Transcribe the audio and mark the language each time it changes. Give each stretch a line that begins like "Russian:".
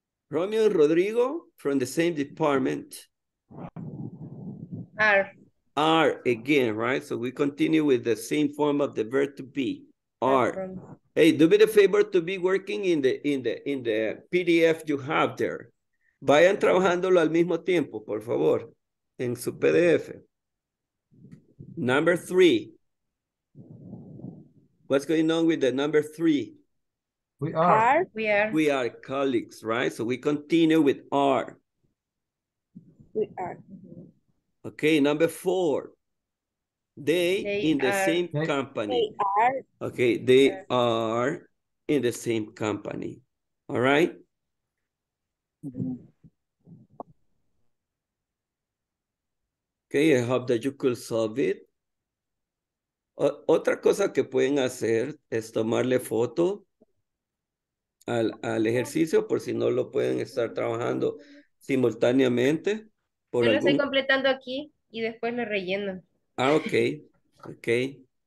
English: Romeo and Rodrigo from the same department. Are. Are again, right? So we continue with the same form of the verb to be. Are. Hey, do me the favor to be working in the PDF you have there.
Spanish: Vayan trabajándolo al mismo tiempo, por favor, en su PDF.
English: Number three. What's going on with the number three? We are colleagues, right? So we continue with are. We are. Okay, number four, they are in the same company. They are in the same company. All right? Okay, I hope that you could solve it.
Spanish: Otra cosa que pueden hacer es tomarle foto al ejercicio por si no lo pueden estar trabajando simultáneamente. Yo lo estoy completando aquí y después lo relleno.
English: Ah, okay. Okay.